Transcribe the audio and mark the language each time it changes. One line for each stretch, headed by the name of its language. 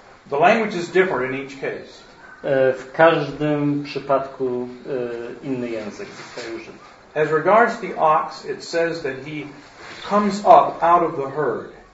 English: The language is different in each case.
Polish: W każdym przypadku inny język zostaje użyty.
English: As regards the ox, it says that he comes up out of the herd.